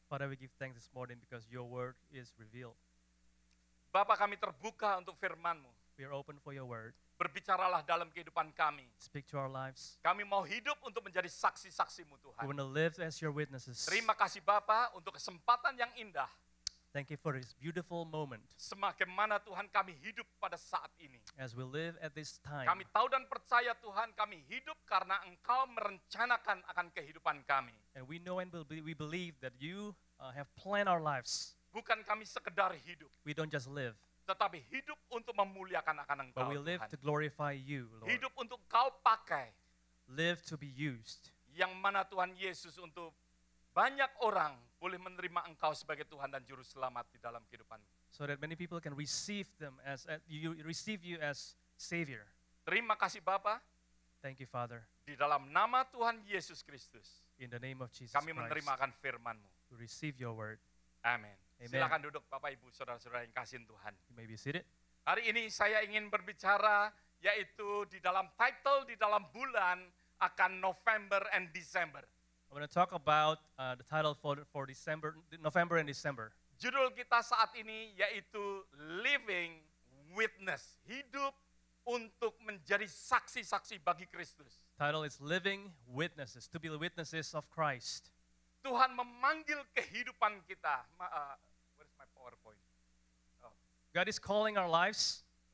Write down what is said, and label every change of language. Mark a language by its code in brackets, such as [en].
[en] Father, we give thanks this morning because your word is revealed. [id] Bapa, kami terbuka untuk firman-Mu. [en] We are open for your word. [id] Berbicaralah dalam kehidupan kami. [en] Speak to our lives. [id] Kami mau hidup untuk menjadi saksi-saksi-Mu Tuhan. [en] We want to live as your witnesses. [id] Terima kasih Bapa untuk kesempatan yang indah. [en] Thank you for this beautiful moment. [id] Semakin Tuhan kami hidup pada saat ini. [en] As we live at this time. [id] Kami tahu dan percaya Tuhan kami hidup karena Engkau merencanakan akan kehidupan kami. [en] And we know and we believe that you have planned our lives. [id] Bukan kami sekedar hidup. [en] We don't just live. [id] Tetapi hidup untuk memuliakan akan Engkau. [en] But we live [id] Tuhan. [en] To glorify you, Lord. [id] Hidup untuk Kau pakai. [en] Live to be used. [id] Yang mana Tuhan Yesus untuk banyak orang boleh menerima Engkau sebagai Tuhan dan Juru Selamat di dalam kehidupan. [en] So that many people can receive them as you receive you as Savior. [id] Terima kasih Bapa. [en] Thank you Father. [id] Di dalam nama Tuhan Yesus Kristus. [en] In the name of Jesus. [id] Kami menerima akan firman-Mu. [en] We receive your word. [id] Amen. [en] Amen. [id] Silakan duduk Bapak Ibu saudara-saudara yang kasih Tuhan. [en] You may be seated. [id] Hari ini saya ingin berbicara yaitu di dalam title di dalam bulan akan November [en] and December. I'm going to talk about the title for December, November and December. [id] Judul kita saat ini yaitu Living Witness, hidup untuk menjadi saksi-saksi bagi Kristus. [en] Title is Living Witnesses, to be the witnesses of Christ. [id] Tuhan memanggil kehidupan kita. [en] Where's my PowerPoint? Oh. God is calling our lives.